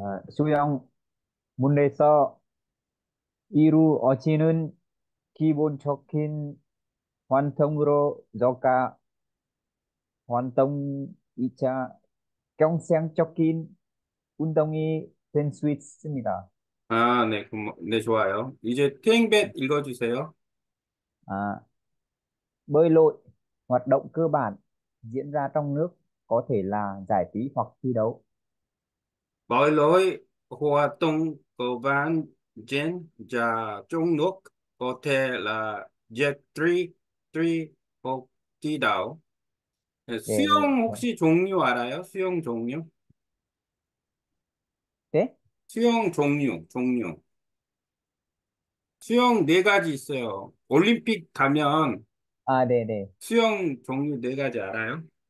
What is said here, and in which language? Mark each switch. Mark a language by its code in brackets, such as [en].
[ko] 수영 물에서 이루어지는 기본적인 활동으로 여가 활동이자 경쟁적인 운동이 될수 있습니다. 아, 네, 네, 좋아요. 이제 트윙벳 읽어주세요. 뭐 [vi] bơi lội hoạt động cơ bản diễn ra trong nước có thể là giải trí hoặc thi đấu. Bơi lội hoạt động cơ bản diễn ra trong nước có thể là giải trí hoặc thi đấu. [ko] Suyong 혹시 종류 알아요? 수영 종류? 수영 종류. 수영 네 가지 있어요. 올림픽 가면 수영 종류 네 가지 알아요?